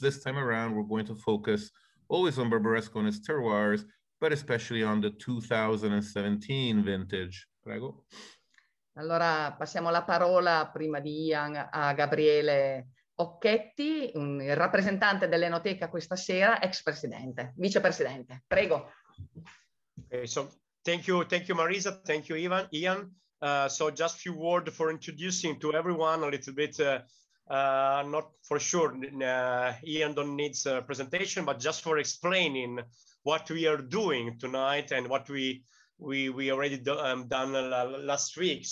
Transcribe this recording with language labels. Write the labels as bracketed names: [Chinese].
[English] This time around, we're going to focus always on Barbaresco and its terroirs, but especially on the 2017 vintage. [Italian] Prego. Allora, passiamo la parola prima di Ian a Gabriele Occhetti, il rappresentante dell'Enoteca questa sera, ex presidente, vicepresidente. Prego. [English] Okay, so thank you Marisa, thank you Ian. So just few words for introducing to everyone a little bit, not for sure, Ian don't need a presentation, but just for explaining what we are doing tonight and what we already done last week.